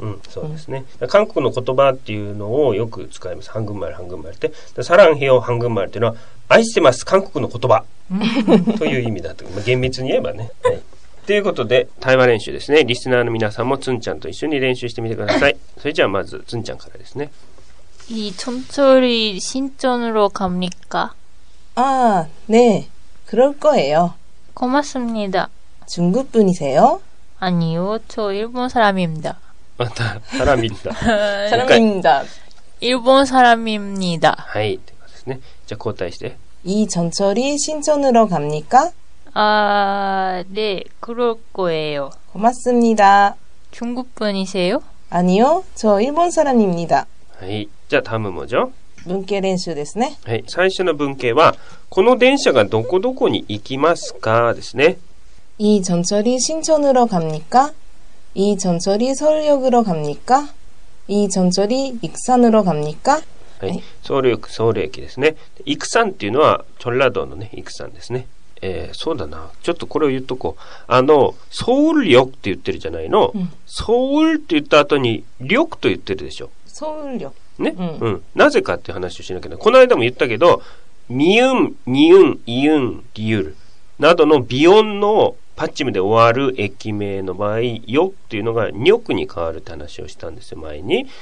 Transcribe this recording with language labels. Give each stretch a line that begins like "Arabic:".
Japanese: うん、そうですね、うん、韓国の言葉っていうのをよく使います。ハングマル、ハングマルって、サランヘヨ、ハングマルっていうのは愛してます、韓国の言葉という意味だと、まあ、厳密に言えばね、はい、ということで対話練習ですね。リスナーの皆さんもツンちゃんと一緒に練習してみてください。それじゃあまずツンちゃんからですね。
Korean: 이전철이신촌으로갑니까？ 아네그럴거예요。 고맙습니다。 중국분이세요？ 아니요저일본사람입니다。 아다사람입니다。 사람입니다。 일본사람입니다。
Japanese: はい、ということですね。じゃあ交代して。
Korean: 이전철이신촌으로갑니까？ 아네그럴거예요。 고맙습니다。 중국분이세요？ 아니요저일본사람입니다。
Japanese: はい、じゃあ
Korean: 다음은뭐죠？
Japanese: 文型練習ですね。はい、最初の文型はこの電車がどこどこに行きますかですね。
Korean: 이전철이신촌으로갑니까？ 이전철이서울역으로갑니까？ 이전철이익산으로갑니까？
Japanese: はい、ソウル역、ソウル駅ですね。イクサンっていうのは、チョンラドのね、イクサンですね。そうだな。ちょっとこれを言っとこう。ソウル역って言ってるじゃないの。うん、ソウルって言った後に、역と言ってるでしょ。ソウル역。ね、うん。うん。なぜかっていう話をしなきゃいけない。この間も言ったけど、ミウン、ニウン、イウン、リウル、などの鼻音のパッチムで終わる駅名の場合、よっていうのがにょくに変わるって話をしたんですよ、前に。